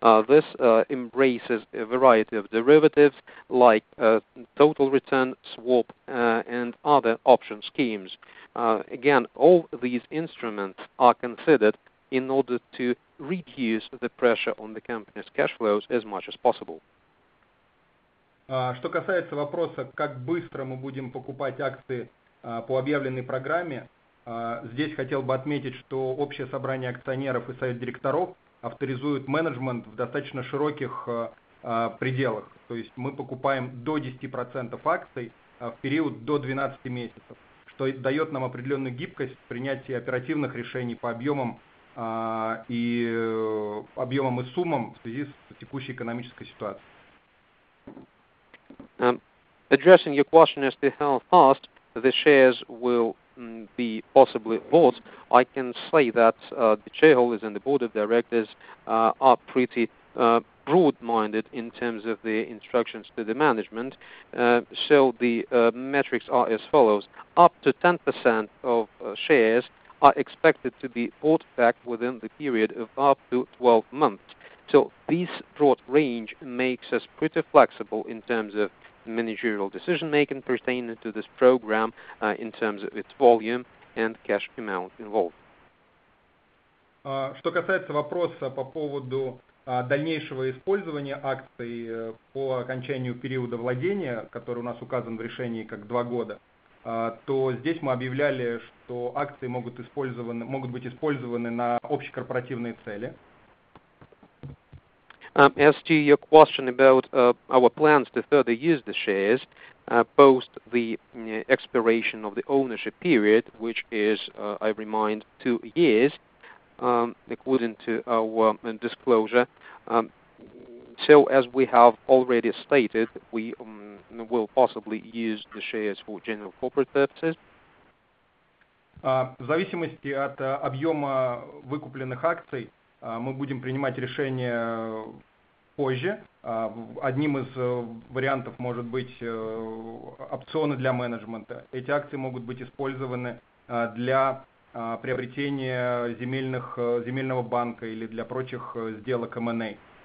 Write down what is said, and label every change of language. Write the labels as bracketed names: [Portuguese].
[English] This embraces a variety of derivatives like total return swap and other option schemes. Again, all these instruments are considered in order to reduce the pressure on the company's cash flows as much as possible. [Russian] Что касается вопроса, как быстро мы будем покупать акции по объявленной программе, здесь хотел бы отметить, что общее собрание акционеров и совет директоров авторизует менеджмент в достаточно широких пределах. То есть мы покупаем до 10% акций в период до 12 месяцев, что дает нам определенную гибкость в принятии оперативных решений по объемам и объемам и суммам в связи с текущей экономической ситуацией. [English] Addressing your question as to how fast the shares will be possibly bought, I can say that the shareholders and the board of directors are pretty broad-minded in terms of the instructions to the management. So the metrics are as follows. Up to 10% of shares are expected to be bought back within the period of up to 12 months. So this broad range makes us pretty flexible in terms of managerial decision-making pertaining to this program in terms of its volume and cash amount involved. [Russian] Что касается вопроса по поводу дальнейшего использования акций по окончанию периода владения, который у нас указан в решении как 2 года, то здесь мы объявляли, что акции могут быть использованы на общекорпоративные цели. [English] As to your question about our plans to further use the shares post the expiration of the ownership period, which is, I remind, 2 years, according to our disclosure, so as we have already stated, we will possibly use the shares for general corporate purposes. [Russian] В зависимости от объема выкупленных акций, мы будем принимать решение позже. Одним из вариантов может быть опционы для менеджмента. Эти акции могут быть использованы для приобретения земельного банка или для прочих сделок M&A.